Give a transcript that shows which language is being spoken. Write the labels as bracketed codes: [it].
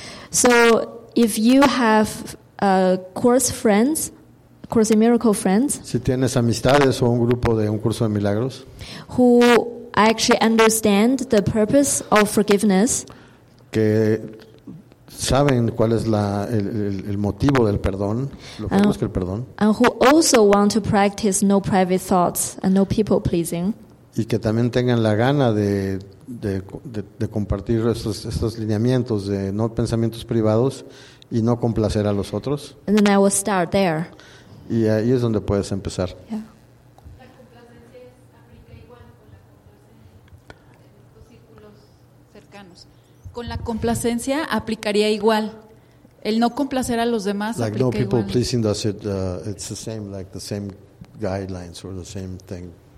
[en] So if you have course friends, Course in Miracle friends, [es] si tienes amistades o un grupo de un curso de milagros, [en] who actually understand the purpose of forgiveness, [es] que saben cuál es el motivo del perdón, lo que busca el perdón, [en] and who also want to practice no private thoughts and no people pleasing, [es] y que también tengan la gana de compartir estos lineamientos de no pensamientos privados y no complacer a los otros. [en] And then I will start there. [es] Y ahí es donde puedes empezar. ¿La complacencia aplica igual con la complacencia en los círculos cercanos? ¿Con la complacencia aplicaría igual? ¿El no complacer a los demás aplica igual? [en] Like no people pleasing, does it, it's the same, like the same guidelines or the same thing?